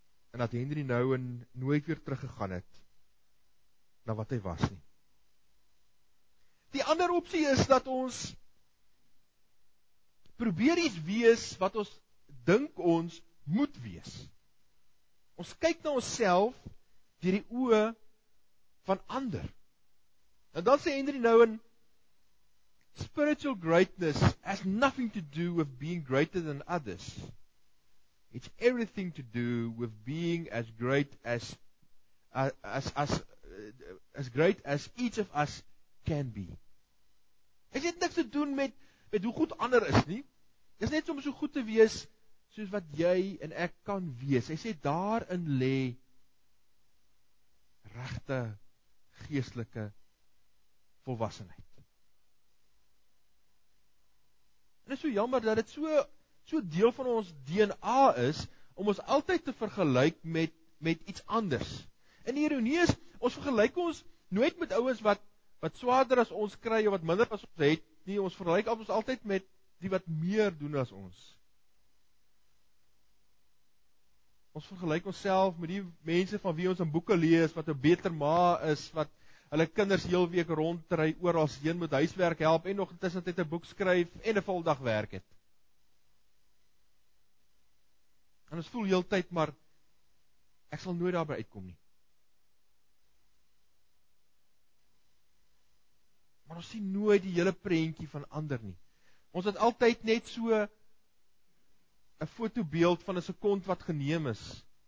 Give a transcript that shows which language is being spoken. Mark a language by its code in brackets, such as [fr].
[af] En dat Henry Nouwen nooit weer teruggegaan het na wat hy was nie. Die ander opsie is dat ons probeer iets wees wat ons dink ons moet wees. Ons kyk na onsself deur die oë van ander. En dan sê [en] Henry Nouwen, spiritual greatness has nothing to do with being greater than others. It's everything to do with being as great as each of us can be. [af] Het het niks te doen met hoe goed ander is nie. Het is net om so goed te wees, soos wat jy en ek kan wees. Hy sê, daarin lê regte geestelike volwassenheid. En is so jammer dat het so deel van ons DNA is, om ons altyd te vergelyk met iets anders. En die ironie is, ons vergelyk ons nooit met ouens wat swaarder as ons kry, wat minder as ons het, nie, ons vergelyk ons altyd met die wat meer doen as ons. Ons vergelyk ons self met die mense van wie ons in boeke lees, wat 'n beter ma is, wat hulle kinders heel week ronddry, oor as een met huiswerk help, en nog tussentyd 'n boek skryf, en 'n voldag werk het. En ons voel heel tyd, maar ek sal nooit daarby uitkom nie. Maar ons sien nooit die hele prentjie van ander nie. Ons het altyd net so een fotobeeld van een sekond wat geneem is.